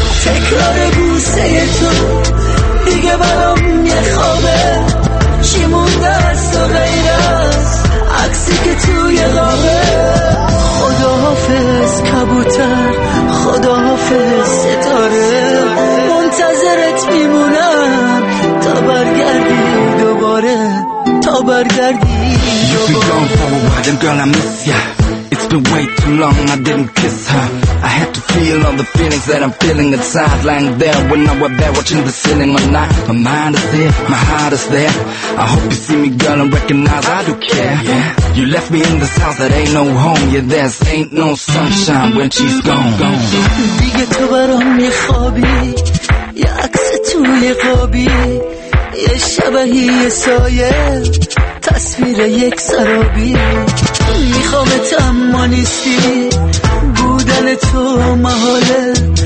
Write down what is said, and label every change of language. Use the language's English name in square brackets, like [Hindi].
[Persian] تکرار بوسه تو دیگه برام یه خوابه، چی مونده است و غیر از عکسی که توی قابه. خدا حافظ کبوتر، خدا حافظ ستاره، منتظرت میمونم تا برگردی دوباره، تا برگردی. [English] You've been gone for a while, and girl, I miss ya. It's been way too long, I didn't kiss her. I had to feel all the feelings that I'm feeling inside. Lying there when I was there, watching the ceiling all night. My mind is there, my heart is there. I hope you see me, girl, and recognize I do care. Yeah. You left me in this house that ain't no home. Yeah, there's ain't no sunshine when she's gone. [Persian] دیگه تو برام یه خوابی، یه عکس توی قابی، یه شبهی سایه، تصویر یک سرابی. میخوام تم نیستی، بودن تو محاله.